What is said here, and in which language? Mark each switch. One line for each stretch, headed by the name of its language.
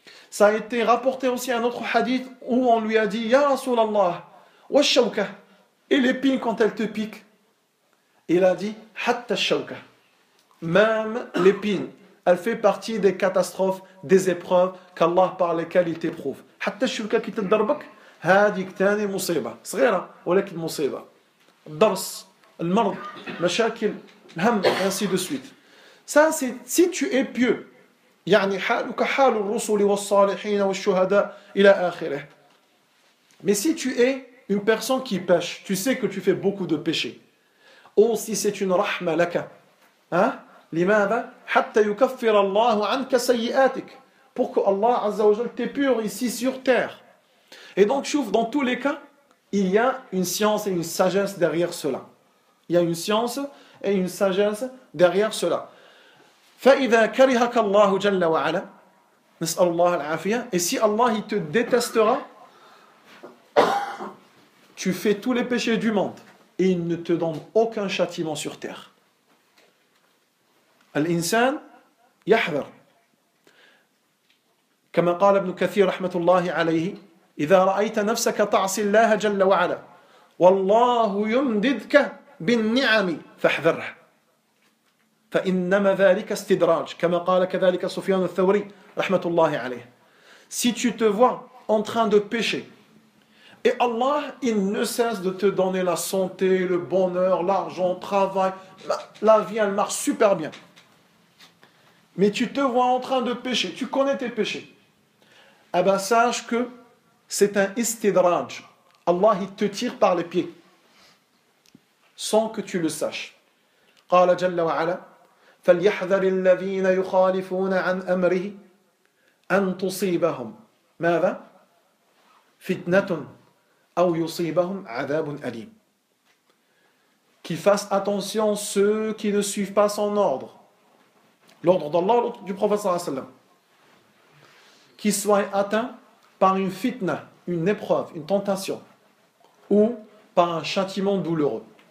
French: Ça a été rapporté aussi un autre hadith où on lui a dit, «
Arabic: Ya Rasulallah, washawka,
French: et l'épine quand elle te pique ?» Il a dit, «
Arabic: Hatta shawka,
French: même l'épine. » Elle fait partie des catastrophes, des épreuves qu'Allah par lesquelles il t'éprouve.
Arabic: حتى الشوكة كي تضربك هذه ثاني مصيبة صغيرة ولكن مصيبة. الدرس المرض مشاكل الهم
French: ainsi de suite. Ça c'est si tu es pieux.
Arabic: يعني حالك حال الرسل والصالحين والشهداء إلى آخره.
French: Mais si tu es une personne qui pêche, tu sais que tu fais beaucoup de péchés. Oh si c'est une
Arabic: رحمة لك.
French: Hein?
Arabic: لماذا حتى يكفر الله عنك سيئاتك
French: pour que Allah Azza wa Jalla t'épure ici sur terre. Et donc chouf dans tous les cas, il y a une science et une sagesse derrière cela. Il y a une science et une sagesse derrière cela.
Arabic: فإذا كرهك الله جل وعلا نسأل الله العافية
French: et si Allah il te détestera tu fais tous les péchés du monde et il ne te donne aucun châtiment sur terre.
Arabic: الإنسان يحذر كما قال ابن كثير رحمة الله عليه إذا رأيت نفسك تعصي الله جل وعلا والله يمددك بالنعم فاحذرها فإنما ذلك استدراج كما قال كذلك سفيان الثوري رحمة الله عليه.
French: Si tu te vois en train de pécher et Allah il ne cesse de te donner la santé, le bonheur, l'argent, le travail, la vie elle marche super bien, mais tu te vois en train de pécher, tu connais tes péchés, eh bien sache que c'est un istidraj. Allah il te tire par les pieds sans que tu le saches.
Arabic: قال جل وعلا فليحذر الذين يخالفون عن أمره أن تصيبهم ماذا فتنة أو يصيبهم عذاب أليم.
French: Qu'il fasse attention ceux qui ne suivent pas son ordre, l'ordre d'Allah, l'ordre du prophète sallallahu alayhi wa sallam, qu'ils soient atteints par une fitna, une épreuve, une tentation, ou par un châtiment douloureux.